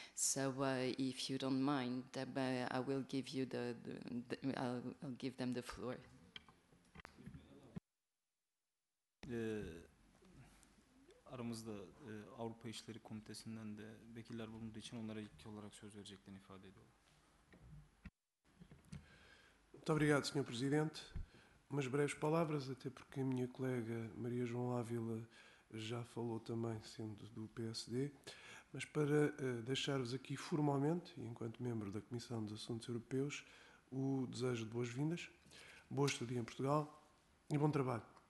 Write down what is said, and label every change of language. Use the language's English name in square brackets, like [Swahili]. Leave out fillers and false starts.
[English] So, if you don't mind, I will give you I'll give them the floor. [Turkish] Aramızda Avrupa İşleri Komitesi'nden de vekiller bulunduğu için onlara ilki olarak söz vereceklerini ifade ediyorum. [Portuguese] Muito obrigado, Sr. Presidente. Umas breves palavras, até porque a minha colega Maria João Ávila já falou também, sendo do PSD, mas para deixar-vos aqui formalmente, enquanto membro da Comissão dos Assuntos Europeus, o desejo de boas-vindas, boa estadia em Portugal e bom trabalho.